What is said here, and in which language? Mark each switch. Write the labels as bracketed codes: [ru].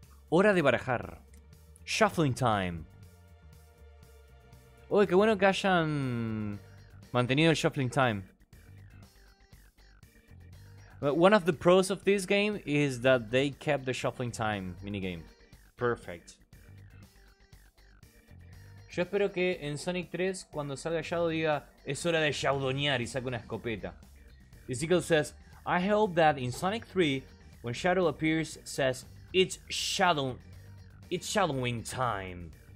[es] Hora de barajar. [en] Shuffling time. [es] Uy, qué bueno que hayan... Mantenido el shuffling time. [en] One of the pros of this game is that they kept the shuffling time minigame. Perfect. [es] Yo espero que en Sonic 3, cuando salga Shadow, diga, es hora de shaudonear y saque una escopeta. [en] Ezekiel says, I hope that in Sonic 3, when Shadow appears, says, it's shadowing time.